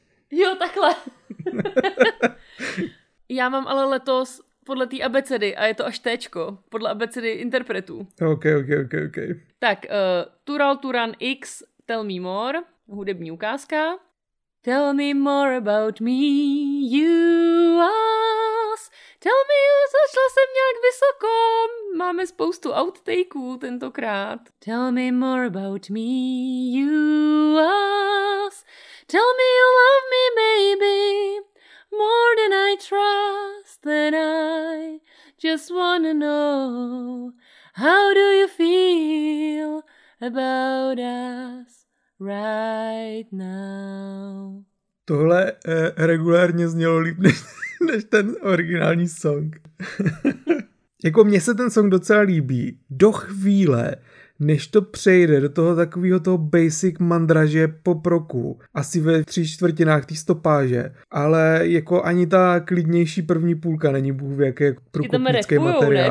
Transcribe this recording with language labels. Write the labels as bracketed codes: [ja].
[cs] Jo, takhle. Já mám ale letos podle té abecedy a je to až téčko, podle abecedy interpretů. Ok. Tak, Tural Turan X, Tell Me More, hudební ukázka. [en] Tell me more about me, you us. Tell me, [cs] zašla jsem nějak vysoko. Máme spoustu outtakeů tentokrát. [en] Tell me more about me, you us. Tell me you love me, baby, more than I trust, that I just wanna know, how do you feel about us right now? [cs] Tohle regulárně znělo líp než ten originální song. Jako mně se ten song docela líbí, do chvíle, než to přejde do toho takového toho basic mandraže pop rocku, asi ve 3/4 té stopáže, ale jako ani ta klidnější první půlka není bůh v jaké průkopnický materiál.